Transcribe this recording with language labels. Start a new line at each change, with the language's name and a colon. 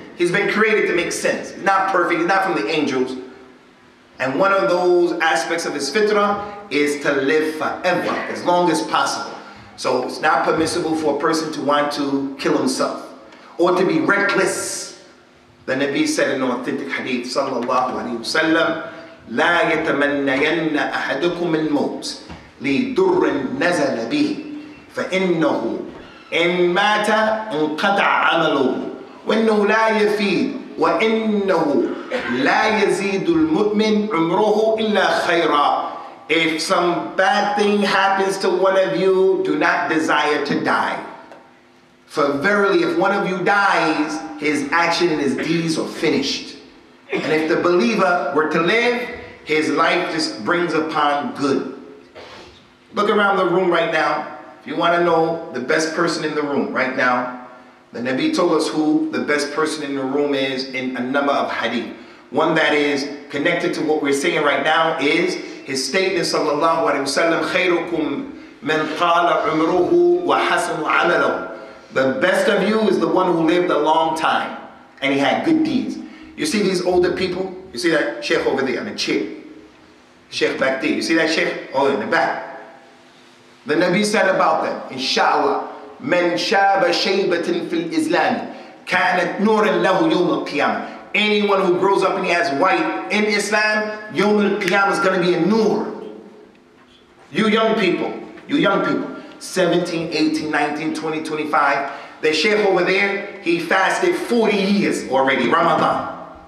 English: He's been created to make sins. He's not perfect. He's not from the angels. And one of those aspects of his fitrah is to live forever, as long as possible. So it's not permissible for a person to want to kill himself or to be reckless. The Nabi said in an authentic hadith, sallallahu alayhi wa sallam,
Arabic: لا يتمنين أحدكم الموت لدر نزل به فإنه إن مات انقطع عمله وإنه لا يفيد وإنه لا يزيد المؤمن عمره إلا خيرا.
English: If some bad thing happens to one of you, do not desire to die. For verily, if one of you dies, his action and his deeds are finished. And if the believer were to live, his life just brings upon good. Look around the room right now. If you want to know the best person in the room right now, the Nabi told us who the best person in the room is in a number of hadith. One that is connected to what we're saying right now is his statement, sallallahu alayhi wa sallam,
Arabic: khayrukum man qala umruhu wa hasanu amalu.
English: The best of you is the one who lived a long time and he had good deeds. You see these older people? You see that sheikh over there on the chair? Sheikh back there. You see that sheikh? Oh, in the back. The Nabi said about them, inshallah,
Arabic: من شاب شيبة في الإسلام كانت نورا له يوم القيامة.
English: Anyone who grows up and he has white in Islam,
Arabic: يوم القيامة
English: is going to be a nur. You young people, 17, 18, 19, 20, 25, The sheikh over there, he fasted 40 years already, Ramadan.